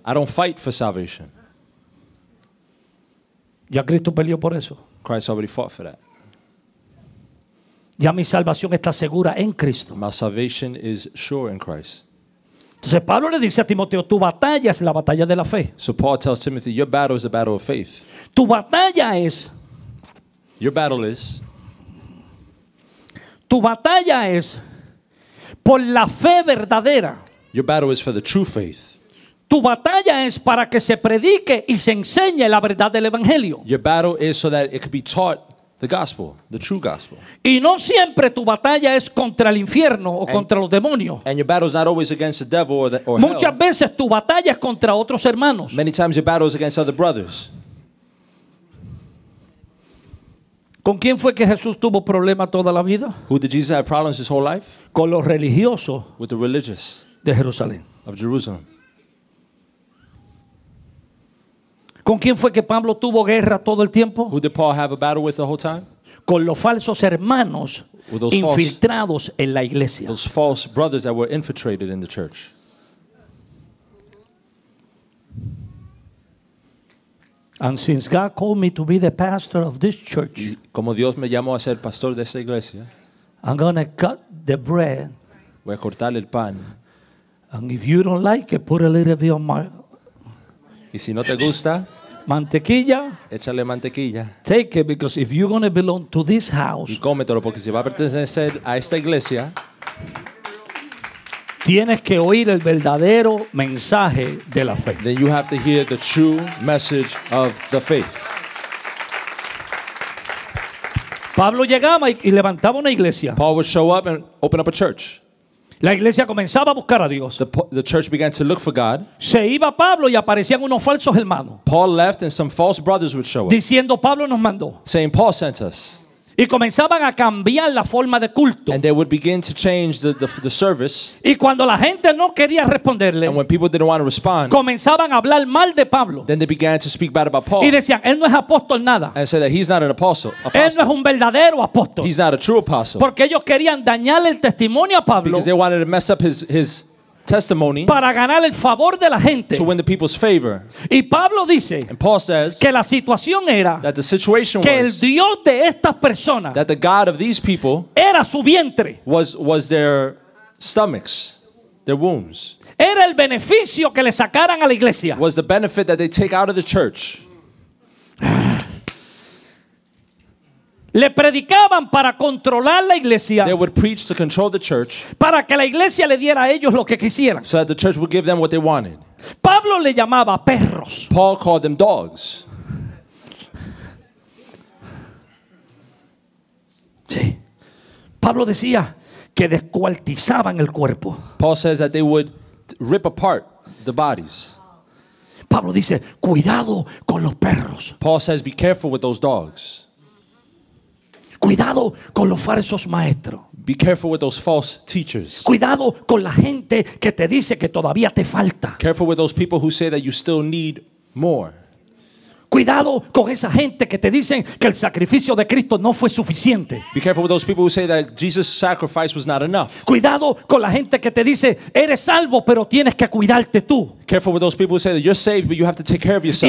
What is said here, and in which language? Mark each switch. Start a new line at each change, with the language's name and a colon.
English: I don't fight for salvation.
Spanish: Ya Cristo peleó por eso.
English: Christ already fought for that.
Spanish: Ya mi salvación está segura en Cristo.
English: My salvation is sure in Christ.
Spanish: Entonces Pablo le dice a Timoteo, tu batalla es la batalla de la fe.
English: So Paul tells Timothy, your battle is the battle of faith.
Spanish: Tu batalla es.
English: Your battle is.
Spanish: Tu batalla es por la fe verdadera.
English: Your battle is for the true faith.
Spanish: Tu batalla es para que se predique y se enseñe la verdad del evangelio.
English: Your battle is so that it could be taught the gospel, the true gospel.
Spanish: Y no siempre tu batalla es contra el infierno o contra los demonios.
English: And your battle is not always against the devil or hell.
Spanish: Muchas veces tu batalla es contra otros hermanos.
English: Many times your battle is against other brothers.
Spanish: ¿Con quién fue que Jesús tuvo problemas toda la vida?
English: Who did Jesus have problems his whole life?
Spanish: Con los religiosos.
English: With the religious.
Spanish: De Jerusalén.
English: Of Jerusalem.
Spanish: ¿Con quién fue que Pablo tuvo guerra todo el tiempo?
English: Who did Paul have a battle with the whole time?
Spanish: con los falsos hermanos infiltrados en la iglesia.
English: Those false brothers that were infiltrated in the church. And since God called me to be the pastor of this church,
Spanish: como Dios me llamó a ser pastor de esta iglesia,
English: I'm gonna cut the bread.
Spanish: Voy a cortar el pan.
English: And if you don't like it, put a little bit on my.
Spanish: Y si no te gusta, mantequilla. Échale mantequilla.
English: Take it, because if you're gonna belong to this house.
Spanish: Y cómetelo, porque si va a pertenecer a esta iglesia. Tienes que oír el verdadero mensaje de la fe.
English: Then you have to hear the true message of the faith.
Spanish: Pablo llegaba y levantaba una iglesia.
English: Paul would show up and open up a church.
Spanish: La iglesia comenzaba a buscar a Dios.
English: The church began to look for God.
Spanish: Se iba Pablo y aparecían unos falsos hermanos.
English: Paul left and some false brothers would show up.
Spanish: Diciendo Pablo nos mandó.
English: Saying Paul sent us.
Spanish: Y comenzaban a cambiar la forma de culto.
English: And they would begin to change the service.
Spanish: Y cuando la gente no quería responderle,
English: and when people didn't want to respond,
Spanish: comenzaban a hablar mal de Pablo.
English: Then they began to speak bad about Paul.
Spanish: Y decían, él no es apóstol nada.
English: And said that he's not an apostle.
Spanish: Él no es un verdadero apóstol.
English: He's not a true apostle.
Spanish: Porque ellos querían dañar el testimonio a Pablo.
English: Because they wanted to mess up his testimony,
Spanish: para ganar el favor de la gente.
English: To win the people's favor.
Spanish: Y Pablo dice,
English: and Paul says,
Spanish: que la situación era,
English: that the situation
Spanish: que
English: was,
Spanish: el Dios de estas personas,
English: that the God of these people,
Spanish: era su vientre,
English: was their stomachs, their wombs,
Spanish: era el beneficio que le sacaran a la iglesia,
English: was the benefit that they take out of the church.
Spanish: Le predicaban para controlar la iglesia.
English: They would preach to control the church.
Spanish: Para que la iglesia le diera a ellos lo que quisieran.
English: So that the church would give them what they wanted.
Spanish: Pablo le llamaba perros.
English: Paul called them dogs.
Spanish: Sí. Pablo decía que descuartizaban el cuerpo.
English: Paul says that they would rip apart the bodies.
Spanish: Pablo dice, cuidado con los perros.
English: Paul says, be careful with those dogs.
Spanish: Cuidado con los falsos maestros.
English: Be careful with those false teachers.
Spanish: Cuidado con la gente que te dice que todavía te falta.
English: Careful with those people who say that you still need more.
Spanish: Cuidado con esa gente que te dicen que el sacrificio de Cristo no fue suficiente.
English: Be careful with those people who say that Jesus' sacrifice was not enough.
Spanish: Cuidado con la gente que te dice eres salvo pero tienes que cuidarte tú.
English: Careful with those people who say that you're saved but you have to take care of yourself.